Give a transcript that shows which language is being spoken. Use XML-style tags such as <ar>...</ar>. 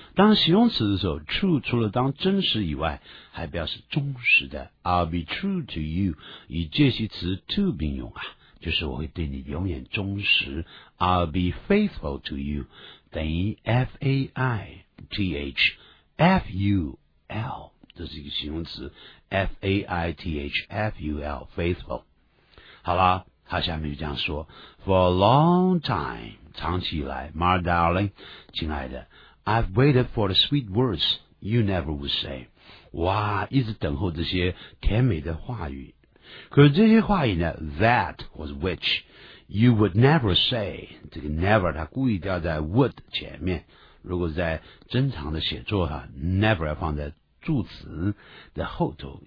<zh>当形容词的时候 ，true 除了当真实以外，还表示忠实的。</zh> <en>I'll be true to you</en> <zh>以介系词 to 并用啊，就是我会对你永远忠实。</zh> <en>I'll be faithful to you</en> <zh>等于 f a i t h f u l， 这是一个形容词。F-A-I-T-H-F-U-L faithful。好啦，他下面就这样说</zh> <en>For a long time</en> <zh>长期以来</zh> <en>My darling</en> <zh>亲爱的</zh> <en>I've waited for the sweet words You never would say</en> <zh>哇，一直等候这些甜美的话语可是这些话语呢</zh> <en>That was which You would never say</en> <zh>这个 never 他故意掉在 would 前面如果在正常的写作哈 ，never 要放在助词的后头。</zh>